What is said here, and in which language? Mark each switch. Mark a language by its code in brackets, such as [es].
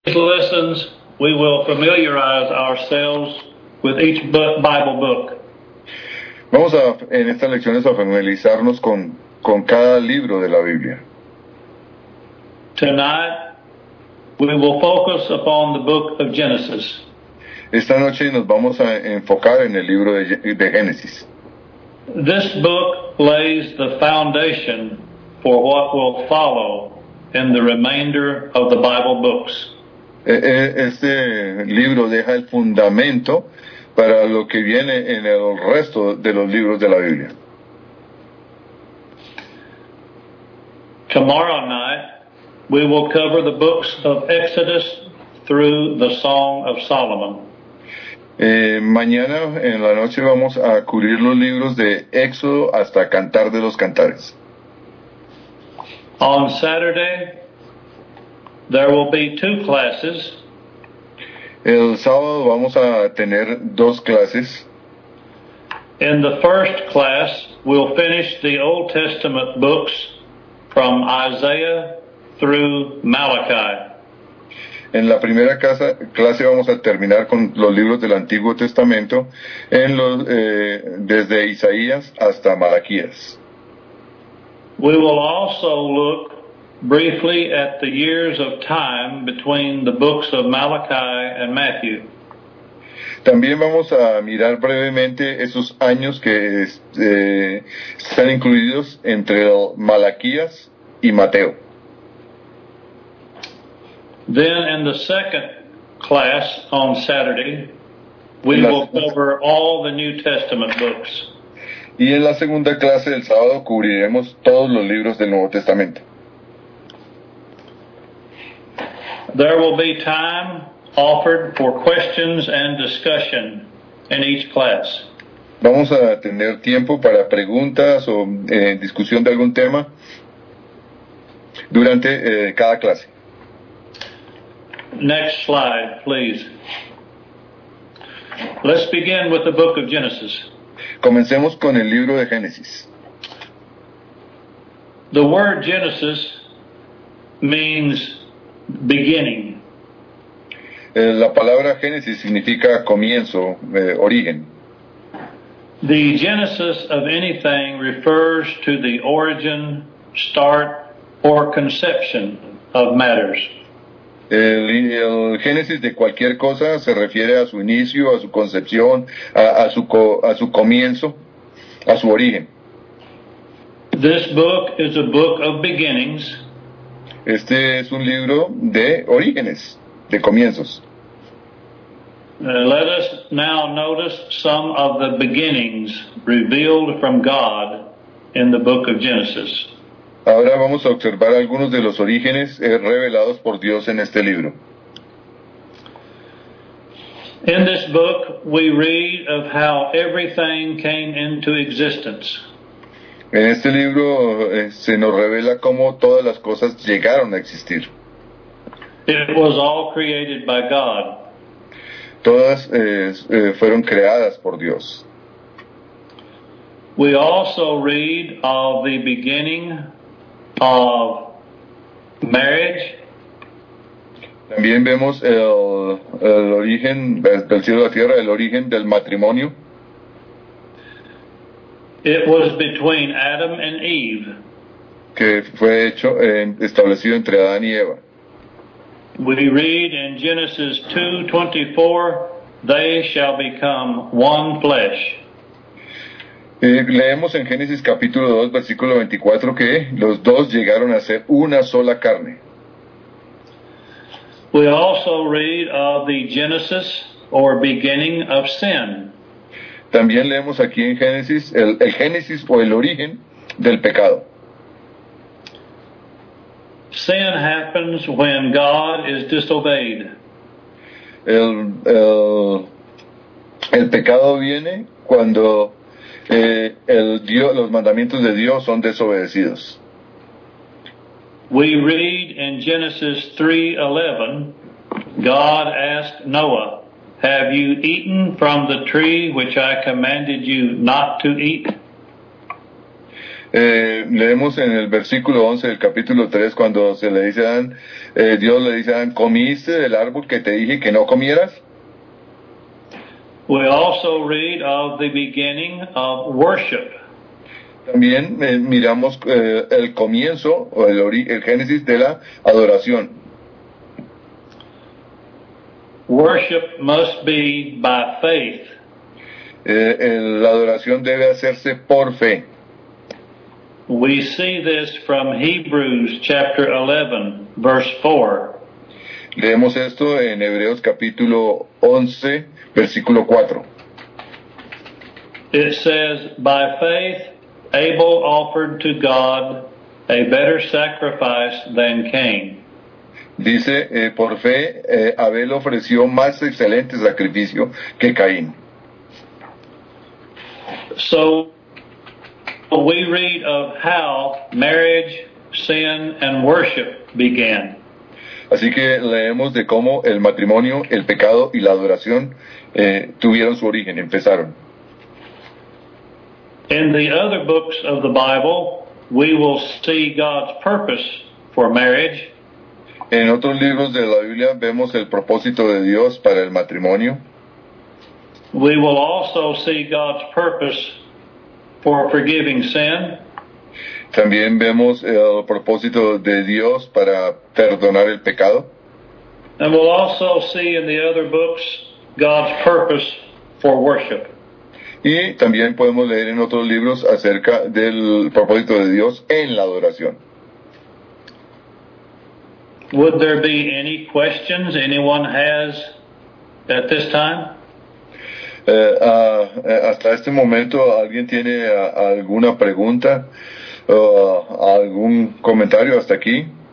[en] These lessons, we will familiarize ourselves with each Bible book. [es] Vamos a, en estas lecciones, a familiarizarnos con cada libro de la Biblia. [en] Tonight, we will focus upon the book of Genesis. [es] Esta noche nos vamos a enfocar en el libro de Génesis. [en] This book lays the foundation for what will follow in the remainder of the Bible books. [es] Este libro deja el fundamento para lo que viene en el resto de los libros de la Biblia. [en] Tomorrow night, we will cover the books of Exodus through the Song of Solomon. [es] Mañana en la noche vamos a cubrir los libros de Éxodo hasta Cantar de los Cantares. [en] On Saturday, there will be two classes. [es] El sábado vamos a tener dos clases. [en] In the first class, we'll finish the Old Testament books from Isaiah through Malachi. [es] En la primera clase vamos a terminar con los libros del Antiguo Testamento, desde Isaías hasta Malaquías. [en] We will also look briefly at the years of time between the books of Malachi and Matthew. [es] También vamos a mirar brevemente esos años que están incluidos entre Malaquías y Mateo. [en] Then in the second class on Saturday, we will cover all the New Testament books. [es] Y en la segunda clase del sábado cubriremos todos los libros del Nuevo Testamento. [en] There will be time offered for questions and discussion in each class. [es] Vamos a tener tiempo para preguntas o discusión de algún tema durante cada clase. [en] Next slide, please. Let's begin with the book of Genesis. [es] Comencemos con el libro de Génesis. [en] The word Genesis means beginning. [es] La palabra Génesis significa comienzo, origen. [en] The genesis of anything refers to the origin, start, or conception of matters. [es] El génesis de cualquier cosa se refiere a su inicio, a su concepción, a su comienzo, a su origen. [en] This book is a book of beginnings. [es] Este es un libro de orígenes, de comienzos. [en] Let us now notice some of the beginnings revealed from God in the book of Genesis. [es] Ahora vamos a observar algunos de los orígenes revelados por Dios en este libro. [en] In this book, we read of how everything came into existence. [es] En este libro se nos revela cómo todas las cosas llegaron a existir. [en] It was all created by God. [es] Todas fueron creadas por Dios. [en] We also read of the beginning of marriage. [es] También vemos el origen del cielo a la tierra, el origen del matrimonio. [en] It was between Adam and Eve. [es] Que fue hecho establecido entre Adán y Eva. [en] We read in Genesis 2:24, they shall become one flesh. [es] Leemos en Génesis capítulo 2, versículo 24, que los dos llegaron a ser una sola carne. [en] We also read of the genesis or beginning of sin. [es] También leemos aquí en Génesis el génesis o el origen del pecado. [en] Sin happens when God is disobeyed. [es] El pecado viene cuando los mandamientos de Dios son desobedecidos. [en] We read in Genesis 3:11, God asked Noah, "Have you eaten from the tree which I commanded you not to eat?" [es] Leemos en el versículo 11 del capítulo 3 cuando se le dice a Adán, Dios le dice a Adán, ¿comiste del árbol que te dije que no comieras? [en] We also read of the beginning of worship. [es] También miramos el comienzo o el génesis de la adoración. [en] Worship must be by faith. [es] La adoración debe hacerse por fe. [en] We see this from Hebrews chapter 11, verse 4. [es] Leemos esto en Hebreos capítulo 11, versículo 4. [en] It says, by faith Abel offered to God a better sacrifice than Cain. [es] Dice, por fe Abel ofreció más excelente sacrificio que Caín. [en] So, we read of how marriage, sin, and worship began. [es] Así que leemos de cómo el matrimonio, el pecado y la adoración tuvieron su origen, empezaron. [en] In the other books of the Bible, we will see God's purpose for marriage. [es] En otros libros de la Biblia vemos el propósito de Dios para el matrimonio. [en] We will also see God's purpose for forgiving sin. [es] También vemos el propósito de Dios para perdonar el pecado. [en] And we'll also see in the other books God's purpose for worship. [es] Y también podemos leer en otros libros acerca del propósito de Dios en la adoración. [en] Would there be any questions anyone has at this time? [es] Hasta este momento, ¿alguien tiene alguna pregunta? ¿Algún comentario hasta aquí?